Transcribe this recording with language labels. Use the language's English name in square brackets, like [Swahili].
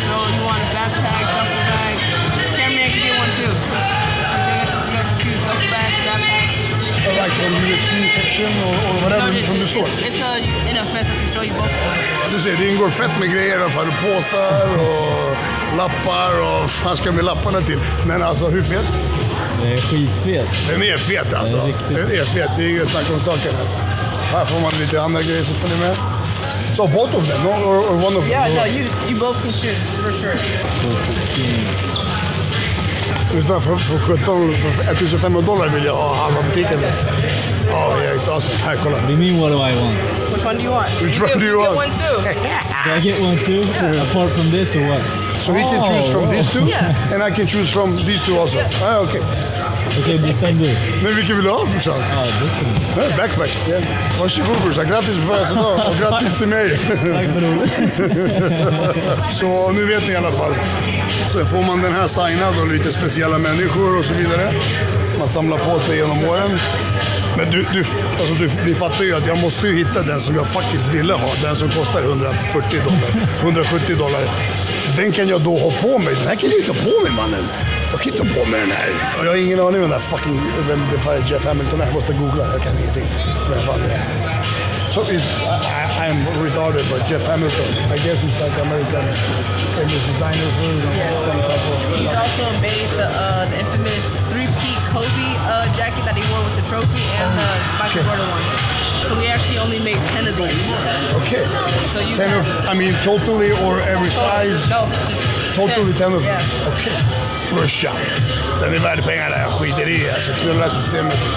[English] So you want a backpack, duffel bag. Jeremy, I can get one too. You guys choose duffel bag, backpack. Like from UFC section or whatever from the store. It's in a fest, I can show you both. [Swedish] Du ser, det ingår fett med grejer. Fan, påsar och lappar och fan ska med lapparna till. Men alltså, hur fet? Det är skitfet. Den är fet alltså. Den är fet, det är ingen snack om saken alltså. Här får man lite andra grejer som följer med. [English] Så so both of them, no? Or one of them? Yeah, no, you both can shoot, for sure. [Swedish] Lyssna, för $1,500 vill jag ha halva butiken. [English] Alltså. Oh yeah, it's awesome. [Swedish] Här, kolla. [English] What do you mean, what do I want? Which one do you want? Which one do you want? Get one too. Do I get one too? Yeah. Apart from this or what? So he can choose from these two, yeah. And I can choose from these two also. Yeah. Ah, okay. Okay, this time do. Maybe give it up, Bruce. This one. Yeah, backpack. Yeah. Once you go, Bruce, I grabbed this before I said, oh, I grabbed this to me. [Swedish] So nu vet ni i alla fall. Så får man den här signad och lite speciella människor och så vidare. Man samlar på sig genom åren. Men ni fattar ju att jag måste ju hitta den som jag faktiskt ville ha. Den som kostar $140, $170. För den kan jag då ha på mig. Den här kan jag inte ha på mig, mannen. Jag kan inte ha på mig den här. Jag har ingen aning om den där fucking, vem det är, Jeff Hamilton. Jag måste googla, jag kan ingenting. Vem fan det är. [English] So I'm retarded, but Jeff Hamilton, I guess he's like American famous designer for some type of... He's also made the infamous three-peat Kobe jacket that he wore with the trophy and the Michael Jordan one. So we actually only made 10 of these. Okay. So you 10 of, I mean totally or every size? No. Totally 10 of these. Okay. Russia. [Swedish] Den är värd pengarna, jag skiter i, alltså knulla systemet.